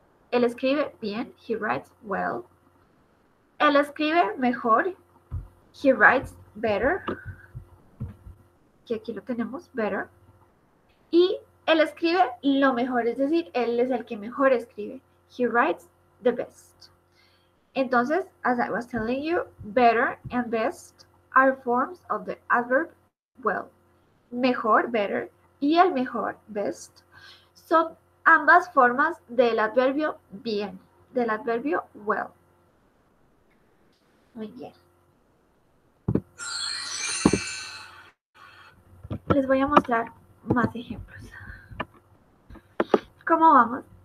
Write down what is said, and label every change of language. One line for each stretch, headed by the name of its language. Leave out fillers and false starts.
Spanish: Él escribe bien,
English: he writes well.
Spanish: Él escribe mejor,
English: he writes better.
Spanish: Que aquí lo tenemos, better. Y él escribe lo mejor, es decir, él es el que mejor escribe.
English: He writes the best. Entonces, as I was telling you, better and best are forms of the adverb well.
Spanish: Mejor, better, y el mejor, best, son ambas formas del adverbio bien, del adverbio well. Muy bien. Les voy a mostrar más ejemplos. ¿Cómo vamos?